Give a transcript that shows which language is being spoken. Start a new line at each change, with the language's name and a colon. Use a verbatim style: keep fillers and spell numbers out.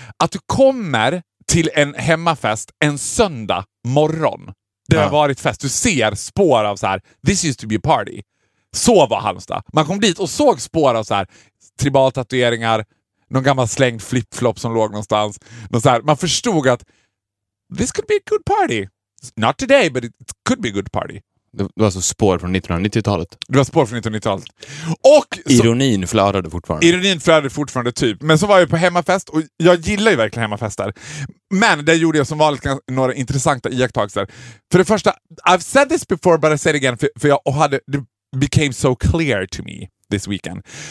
Swedish: Att du kommer till en hemmafest en söndag morgon. Det har uh. varit fest. Du ser spår av så här,
English: this used to be a party.
Swedish: Så var Halmstad. Man kom dit och såg spår av så här, tribaltatueringar, någon gammal slängd flipflop som låg någonstans. Någon så här, man förstod att
English: this could be a good party. Not today, but it could be a good party.
Swedish: Det var alltså spår från nittonhundranittiotalet. Det var spår från nittonhundranittiotalet. Och så, ironin flödade fortfarande. Ironin flödade fortfarande typ. Men så var jag på hemmafest och jag gillar ju verkligen hemmafester. Men där gjorde jag som vanligt några intressanta iakttagelser. För det första,
English: I've said this before but I said it again.
Swedish: För, för jag och hade, det
English: became so clear to me this weekend.